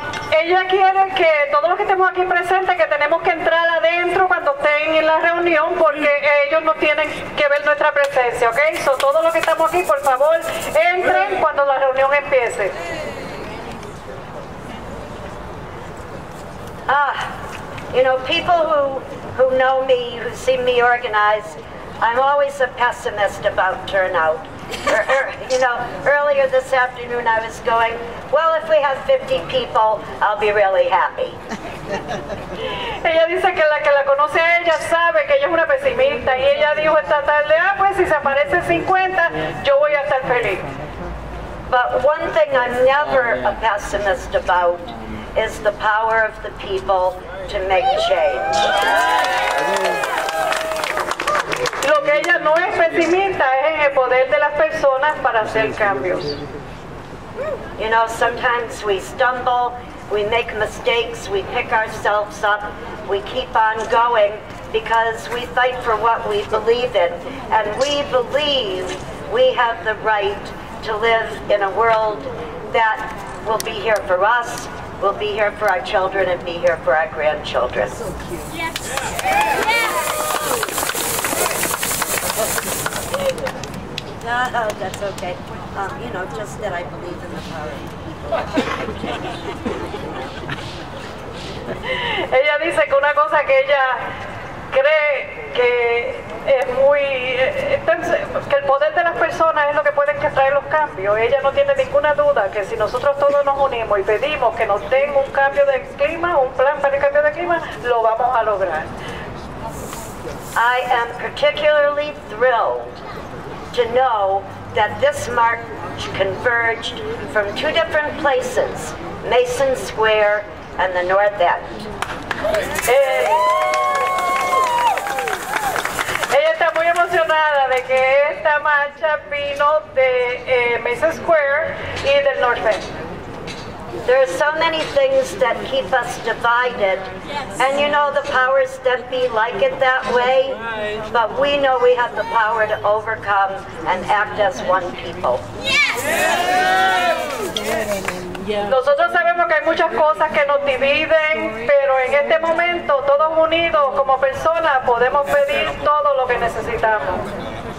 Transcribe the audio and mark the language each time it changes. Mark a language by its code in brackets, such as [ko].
[es] Ella quiere que todos los que estemos aquí presentes, que tenemos que entrar adentro cuando estén en la reunión, porque ellos no tienen que ver nuestra presencia, ¿ok? So, todos los que estamos aquí, por favor, entren cuando la reunión empiece. [en] Ah, you know, people who know me, who see me organize, I'm always a pessimist about turnout. You know, earlier this afternoon I was going, well, if we have 50 people, I'll be really happy. [es] Ella dice que la conoce a ella sabe que ella es una pesimista, y ella dijo esta tarde, ah, pues si se aparece 50, yo voy a estar feliz. [en] But one thing I'm never a pessimist about is the power of the people to make change. [es] Lo que ella no es pesimista es en el poder de las personas para hacer cambios. [en] You know, sometimes we stumble, we make mistakes, we pick ourselves up, we keep on going because we fight for what we believe in. And we believe we have the right to live in a world that will be here for us, will be here for our children, and be here for our grandchildren. Yes. Yes. Yes. That's okay. You know, just that I believe in the power of people. [es] Ella dice que una cosa que ella cree que es muy... que el poder de las personas es lo que puede traer los cambios. Ella no tiene ninguna duda que si nosotros todos nos unimos y pedimos que nos den un cambio de clima, un plan para el cambio de clima, lo vamos a lograr. [en] I am particularly thrilled to know that this march converged from two different places, Mason Square and the North End. [es] Ella está muy emocionada de que esta marcha vino de Mason Square y del North End. [en] There are so many things that keep us divided. Yes. And you know, the powers that be like it that way. Right. But we know we have the power to overcome and act as one people. Yes! Yes. Yeah. [es] Nosotros sabemos que hay muchas cosas que nos dividen, pero en este momento, todos unidos como personas, podemos pedir todo lo que necesitamos.